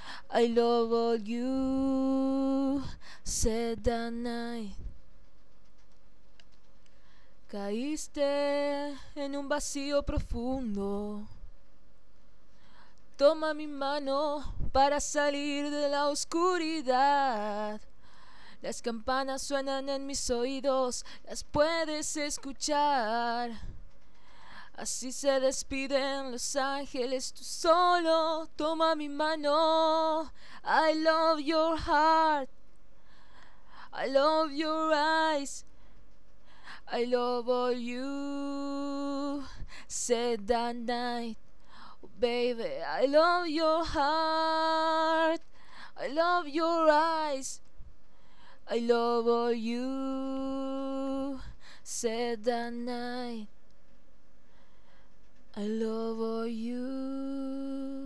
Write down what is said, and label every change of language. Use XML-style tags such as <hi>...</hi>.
<en>I love all you said that night.</en> <es>Caíste en un vacío profundo. Toma mi mano para salir de la oscuridad. Las campanas suenan en mis oídos, las puedes escuchar. Así se despiden los ángeles, tú solo toma mi mano.</es> <en>I love your heart, I love your eyes, I love all you said that night. Baby, I love your heart, I love your eyes, I love all you said that night, I love all you.</en>